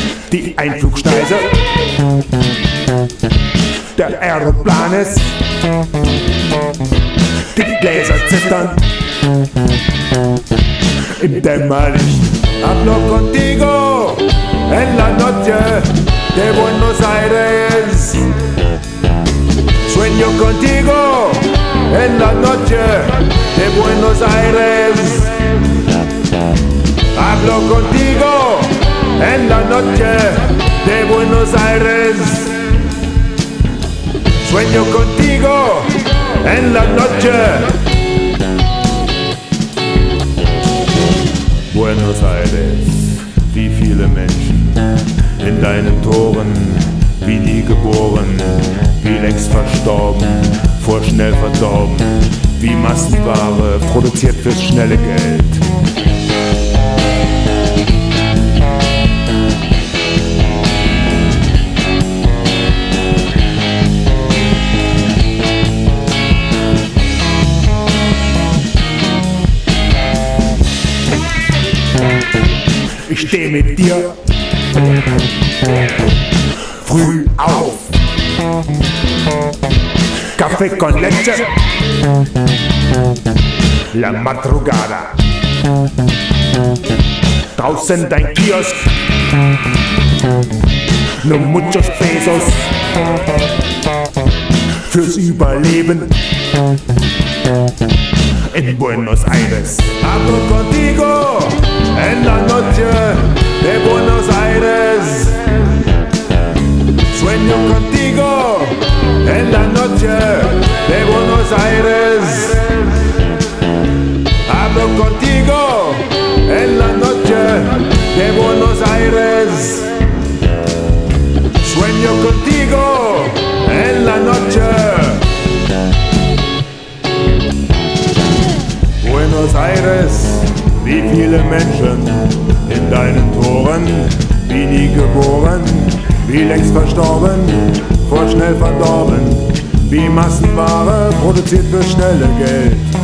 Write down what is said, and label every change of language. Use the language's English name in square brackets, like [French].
[German] Die Einflugschneise der Aeroplanes, die Gläser zittern im Dämmerlicht. [Spanish] Hablo contigo en la noche de Buenos Aires. Sueño contigo en la noche de Buenos Aires. Hablo contigo en la noche de Buenos Aires. Sueño contigo en la noche. [German] Buenos Aires, wie viele Menschen in deinen Toren, wie die geboren, wie längst verstorben, vorschnell verdorben, wie Massenware produziert fürs schnelle Geld. Ich steh mit dir früh auf. [Spanish] Café con leche, la madrugada. [German] Draußen dein Kiosk, [Spanish] no muchos pesos [German] fürs Überleben in Buenos Aires. [Spanish] Hablo contigo en la noche de Buenos Aires. Sueño contigo en la noche de Buenos Aires. Hablo contigo en la noche de Buenos Aires. Sueño contigo en la noche. [German] Buenos Aires, wie viele Menschen in deinen Toren, wie nie geboren, wie längst verstorben, vorschnell verdorben, wie Massenware produziert für schnelle Geld.